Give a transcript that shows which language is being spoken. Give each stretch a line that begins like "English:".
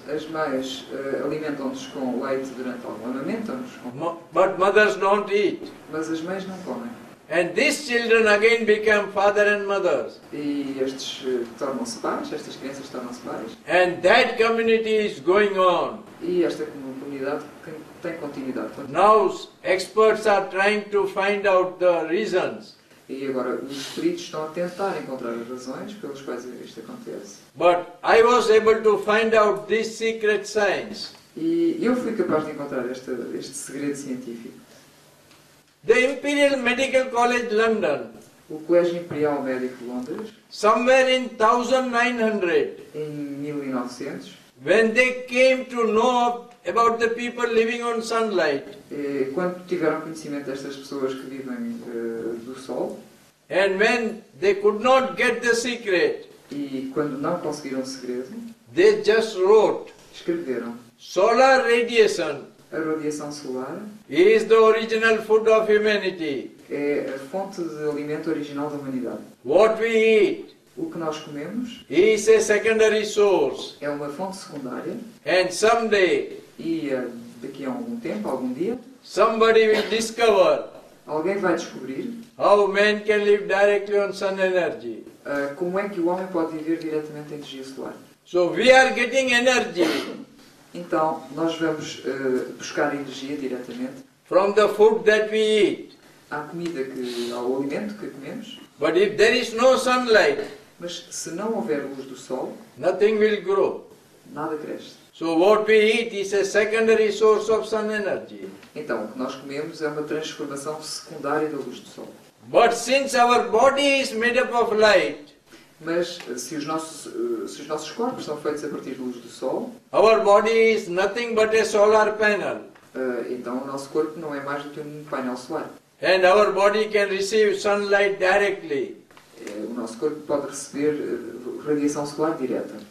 Portuguese: As mães alimentam-nos com leite durante algum amamentam-nos com.
English: But mothers don't eat.
Portuguese: Mas as mães não comem.
English: And these children again become father and mothers.
Portuguese: E estes tornam-se pais, estas crianças tornam-se pais.
English: And that community is going on.
Portuguese: E esta comunidade tem continuidade.
English: Now experts are trying to find out the reasons.
Portuguese: E agora os peritos estão a tentar encontrar as razões pelas quais isto acontece.
English: But I was able to find out this secret science.
Portuguese: E eu fui capaz de encontrar este segredo científico.
English: The Imperial Medical College London,
Portuguese: o Colégio Imperial Médico de Londres,
English: somewhere in 1900,
Portuguese: em 1900,
English: When they came to know about the people living on sunlight.
Portuguese: Quando tiveram conhecimento destas pessoas que vivem do sol.
English: And when they could not get the secret.
Portuguese: E quando não conseguiram o segredo.
English: They just wrote.
Portuguese: Escreveram.
English: Solar radiation.
Portuguese: A radiação solar.
English: Is the original food of humanity.
Portuguese: É a fonte de alimento original da humanidade.
English: What we eat.
Portuguese: O que nós comemos
English: is a secondary source.
Portuguese: É uma fonte secundária.
English: And someday,
Portuguese: e daqui a algum tempo, algum dia,
English: somebody will discover,
Portuguese: alguém vai descobrir,
English: how man can live directly on sun energy.
Portuguese: Como é que o homem pode viver diretamente em energia solar.
English: So we are getting energy.
Portuguese: Então, nós vamos buscar energia diretamente
English: from the food that we eat.
Portuguese: À comida que, ao alimento que comemos.
English: But if there is no sunlight,
Portuguese: mas se não houver luz do sol,
English: nothing will grow.
Portuguese: Nada cresce.
English: So what we eat is a secondary source of sun energy.
Portuguese: Então, o que nós comemos é uma transformação secundária da luz do sol.
English: But since our body is made up of light,
Portuguese: mas se os nossos corpos são feitos a partir da luz do sol,
English: our body is nothing but a solar panel.
Portuguese: Então o nosso corpo não é mais do que um painel solar.
English: And our body can receive sunlight directly.
Portuguese: O nosso corpo pode receber radiação solar direta.